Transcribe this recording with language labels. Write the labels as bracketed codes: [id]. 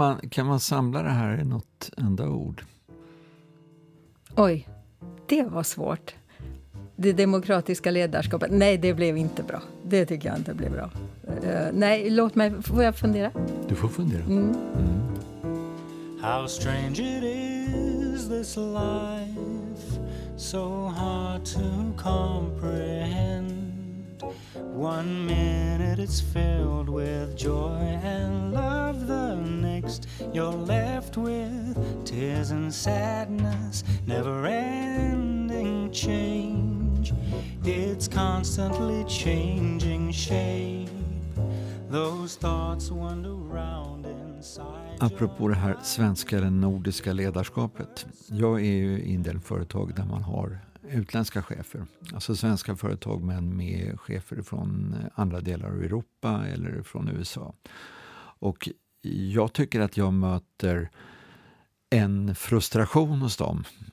[sv] Kan man samla det här i något enda ord? Oj, det var svårt. Det demokratiska ledarskapet. Nej, det blev inte bra. Det tycker jag inte blev bra. Nej, låt mig, får jag fundera? Du får fundera. Mm. [en] How strange it is this life, so hard to comprehend. One minute it's filled with joy and love, the next you're left with tears and sadness, never ending change. It's constantly changing shape, those thoughts wander round inside. [sv] Apropå det här svenska eller nordiska ledarskapet. Jag är ju i en del företag där man har utländska chefer. Alltså svenska företag men med chefer från andra delar av Europa eller från USA. Och jag tycker att jag möter en frustration hos dem.